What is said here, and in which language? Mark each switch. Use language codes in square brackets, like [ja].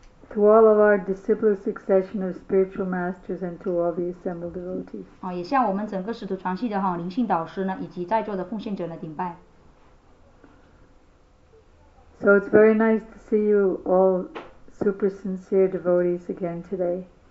[en] To all of our disciplic succession of spiritual masters and to all the assembled devotees. [zh] 也向我们整个使徒传系的灵性导师以及在座的奉献者顶拜。 [en] So it's very nice to see you all super sincere devotees again today.